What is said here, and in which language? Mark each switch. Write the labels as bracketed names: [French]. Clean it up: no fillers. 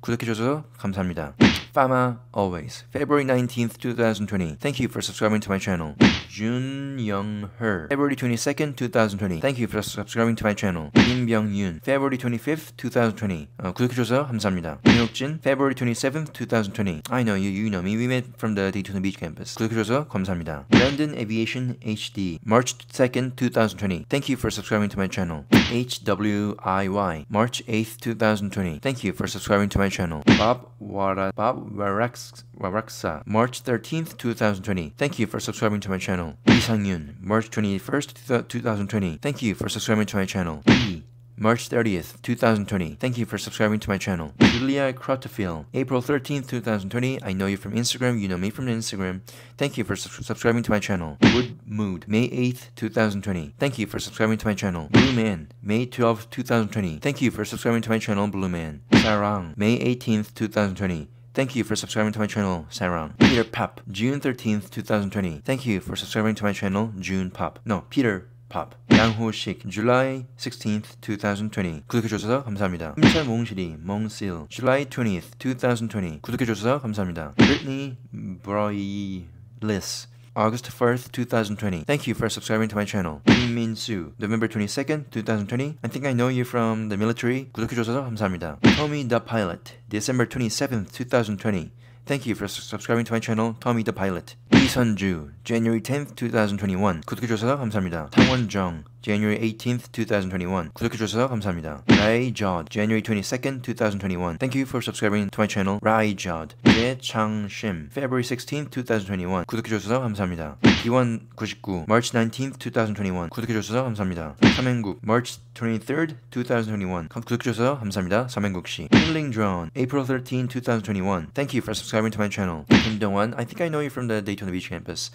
[Korean] 구독해줘서 감사합니다. [English] Fama Always. February 19th, 2020. Thank you for subscribing to my channel. Jun Young Her. February 22nd, 2020. Thank you for subscribing to my channel. Kim Byung Yoon. February 25th, 2020. [Korean] 구독해줘서 감사합니다. [English] Minhok Jin. February 27th, 2020. I know you. You know me. We met from the Daytona Beach campus. [Korean] 구독해줘서 감사합니다. [English] Brandon Aviation HD. March 2nd, 2020. Thank you for subscribing to my channel. HWIY. March 8th, 2020. Thank you for subscribing to my channel. Bob Warax. Waraksa, March 13th, 2020. Thank you for subscribing to my channel. Lee Sang-yun, March 21st, 2020. Thank you for subscribing to my channel. Lee, March 30th, 2020. Thank you for subscribing to my channel. Julia Crotofield, April 13th, 2020. I know you from Instagram. You know me from Instagram. Thank you for subscribing to my channel. Wood Mood, May 8th, 2020. Thank you for subscribing to my channel. Blue Man, May 12th, 2020. Thank you for subscribing to my channel, Blue Man. Sarang, May 18th, 2020. Thank you for subscribing to my channel, Sarang. Peter Pop, June 13th, 2020. Thank you for subscribing to my channel, June Pop. No, Peter Pop. Yang Ho Shik, July 16th, 2020. [Korean] 구독해주셔서 감사합니다. [English] 김찬 몽실이, Mong Sil, July 20th, 2020. [Korean] 구독해주셔서 감사합니다. [English] Brittany Broyles, August 1st, 2020. Thank you for subscribing to my channel. Kim Min Soo, November 22nd, 2020. I think I know you from the military. [Korean] 구독해 주셔서 감사합니다. [English] Tommy the Pilot, December 27th, 2020. Thank you for subscribing to my channel, Tommy the Pilot. 이선주, January 10th, 2021. [Korean] 구독해 주셔서 감사합니다. [English] 탕원정, January 18th, 2021. [Korean] 구독해 주셔서 감사합니다. [English] Rai Jod, January 22nd, 2021. Thank you for subscribing to my channel, Rai Jod. 예창심, February 16th, 2021. [Korean] 구독해 주셔서 감사합니다. [English] 기원 99, March 19th, 2021. [Korean] 구독해 주셔서 감사합니다. [English] 삼행국, March 23rd, 2021. [Korean] 구독해 주셔서 감사합니다. [English] 삼행국 씨. Healing Drone, April 13th, 2021. Thank you for subscribing to my channel. Kim Dong-won, I think I know you from the Daytona Beach campus.